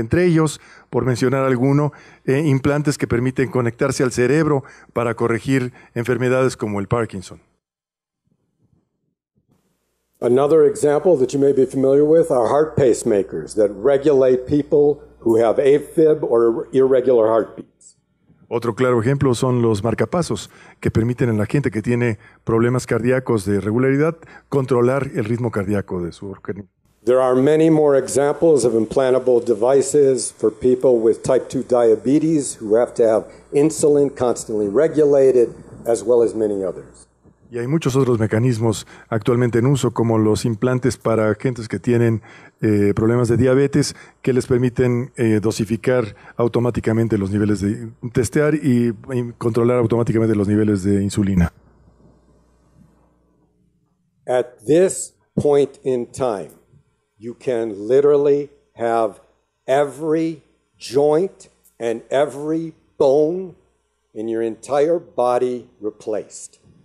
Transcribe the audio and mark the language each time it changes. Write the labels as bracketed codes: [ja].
[es] Entre ellos, por mencionar alguno, implantes que permiten conectarse al cerebro para corregir enfermedades como el Parkinson. [en] Another example that you may be familiar with are heart pacemakers that regulate people who have AFib or irregular heartbeats. [es] Otro claro ejemplo son los marcapasos que permiten a la gente que tiene problemas cardíacos de regularidad controlar el ritmo cardíaco de su organismo. [en] There are many more examples of implantable devices for people with type 2 diabetes who have to have insulin constantly regulated, as well as many others. [es] Y hay muchos otros mecanismos actualmente en uso, como los implantes para gentes que tienen problemas de diabetes, que les permiten dosificar automáticamente los niveles de testear y controlar automáticamente los niveles de insulina. [en] At this point in time, you can literally have every joint and every bone in your entire body replaced.